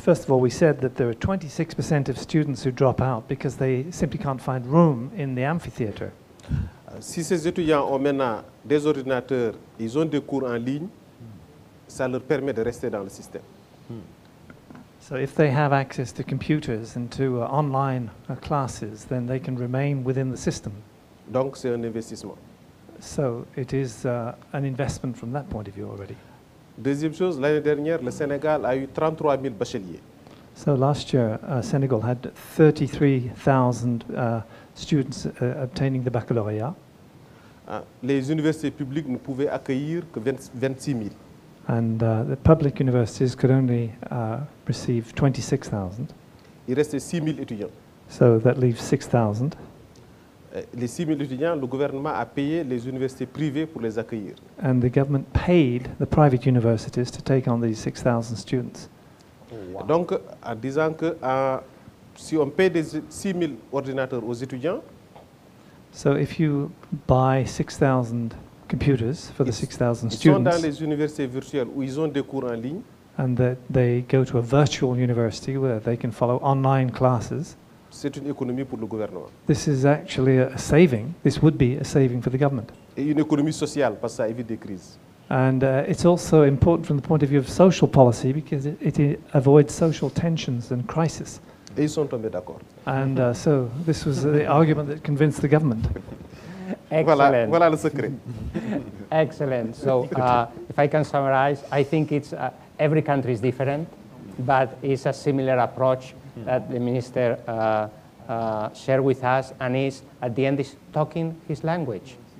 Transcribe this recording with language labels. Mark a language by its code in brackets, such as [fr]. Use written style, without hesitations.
[en] First of all, we said that there are 26% of students who drop out because they simply can't find room in the amphitheater. [fr] Si ces étudiants ont maintenant des ordinateurs, ils ont des cours en ligne, ça leur permet de rester dans le système. [en] So if they have access to computers and to online classes, then they can remain within the system. [fr] Donc c'est un investissement. [en] So it is an investment from that point of view already. [fr] Deuxième chose, l'année dernière, le Sénégal a eu 33 000 bacheliers. [en] So last year, Senegal had 33,000 students obtaining the baccalauréat. [fr] Les universités publiques ne pouvaient accueillir que 26 000. [en] And the public universities could only receive 26,000. [fr] Il restait 6 000 étudiants. [en] So that leaves 6,000. [fr] Les 6 000 étudiants, le gouvernement a payé les universités privées pour les accueillir. [en] And the government paid the private universities to take on these 6,000 students. Wow. [fr] Donc, en disant que si on paye des 6 000 ordinateurs aux étudiants, [en] so if you buy 6,000 computers for the 6,000 students. [fr] Ils sont dans les universités virtuelles où ils ont des cours en ligne. [en] And that they go to a virtual university where they can follow online classes. [fr] C'est une économie pour le gouvernement. [en] This is actually a saving. This would be a saving for the government. [fr] Et une économie sociale parce que ça évite des crises. [en] And it's also important from the point of view of social policy because it avoids social tensions and crisis. [fr] Et ils sont tombés d'accord. [en] And so this was the argument that convinced the government. Excellent. [fr] Voilà le secret. [en] Excellent. So if I can summarize, I think it's every country is different, but it's a similar approach that the minister shared with us, and is at the end is talking his language.